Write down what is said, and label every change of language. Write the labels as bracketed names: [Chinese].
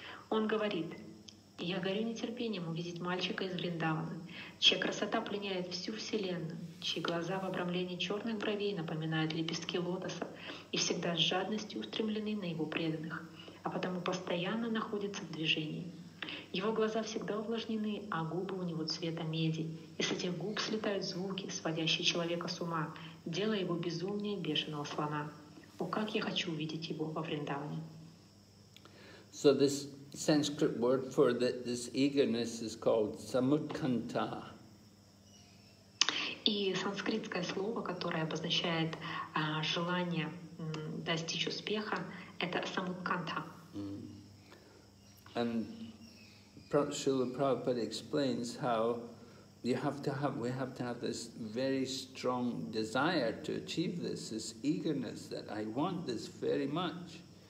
[Russian] Он говорит: «Я горю нетерпением увидеть мальчика из Вриндавана, чья красота пленяет всю Вселенную, чьи глаза в обрамлении черных бровей напоминают лепестки лотоса и всегда с жадностью устремлены на его преданных, а потому постоянно находится в движении. Его глаза всегда увлажнены, а губы у него цвета меди, и с этих губ слетают звуки, сводящие человека с ума, делая его безумнее бешеного слона. О, как я хочу увидеть его во Вриндаване!» [English] So this Sanskrit word for this eagerness is called samudkanta. [Russian] И санскритское слово, которое обозначает желание достичь успеха, это самудканта. [English] And Srila Prabhupada explains how we have to have this very strong desire to achieve this eagerness that I want this very much.